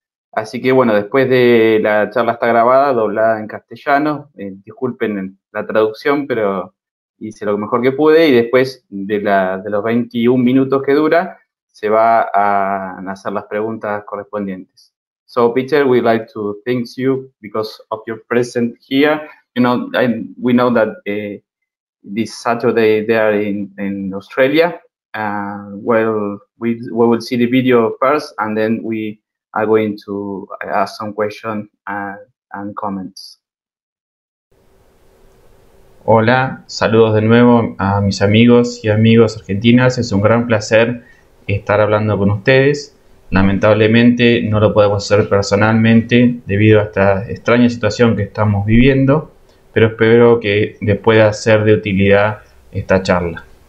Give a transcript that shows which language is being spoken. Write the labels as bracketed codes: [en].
[es] Así que, bueno, después de la charla está grabada, doblada en castellano, disculpen la traducción, pero hice lo mejor que pude, y después de los 21 minutos que dura, se va a hacer las preguntas correspondientes. [en] So, Peter, we'd like to thank you because of your presence here. You know, we know that this Saturday they are in Australia. We will see the video first, and then we are going to ask some questions and comments. [es] Hola, saludos de nuevo a mis amigos y amigos argentinas. Es un gran placer estar hablando con ustedes. Lamentablemente no lo podemos hacer personalmente debido a esta extraña situación que estamos viviendo, pero espero que les pueda ser de utilidad esta charla.